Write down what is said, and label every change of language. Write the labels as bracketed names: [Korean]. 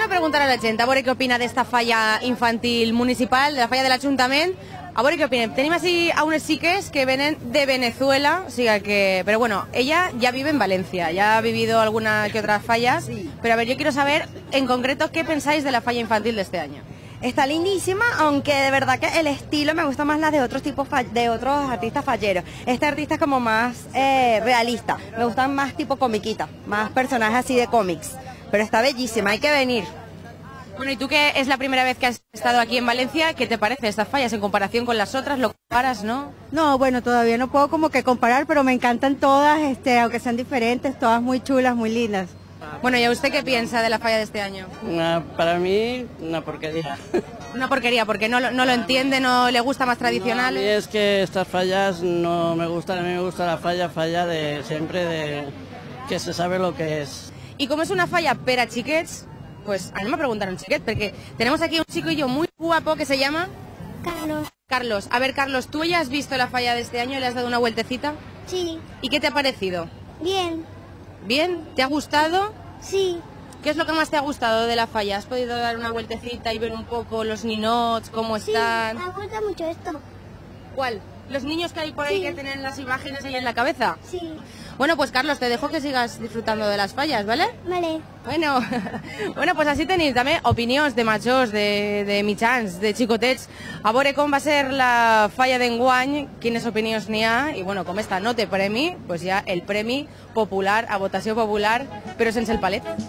[Catalan] La gent, a veure què opina d'esta falla infantil municipal, de la falla de l'Ajuntament. A veure què opinem. Tenim així a unes xiques que venen de Venezuela, o sigui que, però bueno, [Spanish] ella ja vive en València, ja ha vivido alguna que otras fallas, [Catalan] però a veure, [Spanish] jo quiero saber en concreto [Catalan] què pensáis de la falla infantil d'este any. [Spanish] Está lindísima, aunque de verdad que el estilo me gusta más las de otros tipos, de otros artistas falleros. Este artista es como más realista, me gustan más tipo comiquita, más personajes así de cómics, pero está bellísima, hay que venir. Bueno, y tú que es la primera vez que has estado aquí en Valencia, ¿qué te parece estas fallas en comparación con las otras? ¿Lo comparas, no? No, bueno, todavía no puedo como que comparar, pero me encantan todas, aunque sean diferentes, todas muy chulas, muy lindas. Bueno, ¿y a usted qué piensa de la falla de este año? Para mí, una porquería. Una porquería, porque no lo entiende, no le gusta más tradicional. No, a mí es que estas fallas no me gustan, a mí me gusta la falla de siempre, de que se sabe lo que es. ¿Y cómo es una falla para chiquets? [Catalan] Pues anem a preguntar a un xiquet, perquè tenim aquí un xicoillo molt guapo [Spanish] que se llama... [Catalan] Carlos. Carlos. [Spanish] A ver, Carlos, ¿tú ya has visto la falla de este año y le has dado una vueltecita? Sí. ¿Y qué te ha parecido? Bien. ¿Bien? ¿Te ha gustado? Sí. ¿Qué es lo que más te ha gustado de la falla? ¿Has podido dar una vueltecita y ver un poco los ninots, cómo están? Sí, me gusta mucho esto. ¿Cuál? ¿Los niños que hay por ahí que tienen las imágenes ahí en la cabeza? Sí. Bueno, pues Carlos, te dejo que sigas disfrutando de las fallas, ¿vale? Vale. Bueno, bueno, pues así tenéis también opiniones de machos, de michans, de chicotets. [Catalan] A veure com va ser la falla d'enguany, quines opinions n'hi ha, i bueno, com està, no té premi, pues ja el premi popular, a votació popular, però sense el palet.